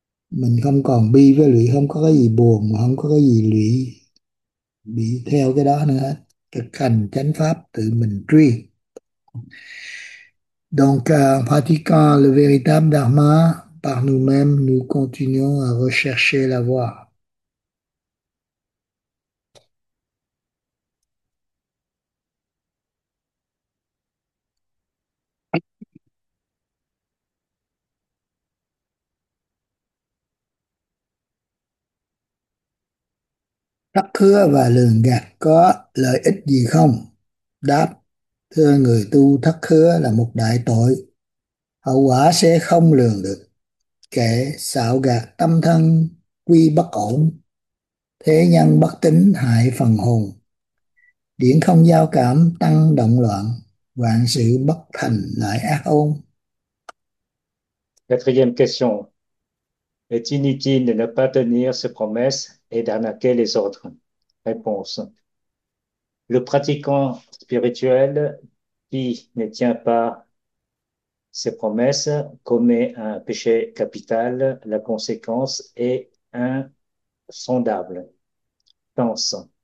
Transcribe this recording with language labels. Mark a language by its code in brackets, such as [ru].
[vi] Mình không còn bi với lụy, không có cái gì buồn, không có cái gì lụy bị theo cái đó nữa hết. Thực hành chánh pháp tự mình truy. [fr] Donc, pratiquant le véritable dharma par nous-mêmes, nous continuons à rechercher la voie. [vi] Thất hứa và lường gạt có lợi ích gì không? Đáp: thưa người tu, thất hứa là một đại tội, hậu quả sẽ không lường được. Kẻ xạo gạt tâm thân quy bất ổn, thế nhân bất tín hại phần hồn, điển không giao cảm tăng động loạn, vạn sự bất thành lại ác ôn. [fr] Quatrième question. Est-il inutile de ne pas tenir ses promesses et d'arnaquer les autres? Réponse. Le pratiquant spirituel qui ne tient pas ses promesses commet un péché capital, la conséquence est insondable. Pense.